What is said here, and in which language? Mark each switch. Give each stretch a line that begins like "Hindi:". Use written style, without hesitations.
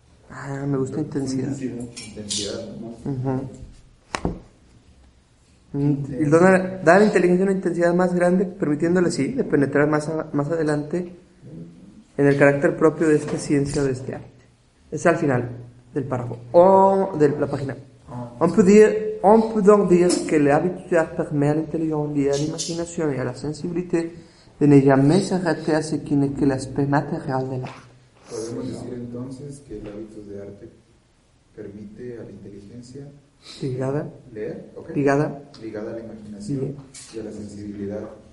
Spanish: Ah, me gusta intensidad. Intensidad, ¿no? Uh-huh. Y da a la inteligencia una intensidad más grande, permitiéndole, sí, de penetrar más adelante en el carácter propio de esta ciencia o de este arte. Es al final del párrafo. O de la página.
French: On peut donc dire que l'habitude permet à l'intelligence et à l'imagination et à la sensibilité de ne jamais s'arrêter à ce qui n'est que l'aspect matériel de l'art.
Spanish: Podemos decir entonces que el hábito de arte permite a la inteligencia ligada, leer, okay, ligada a la imaginación, sí, y a la sensibilidad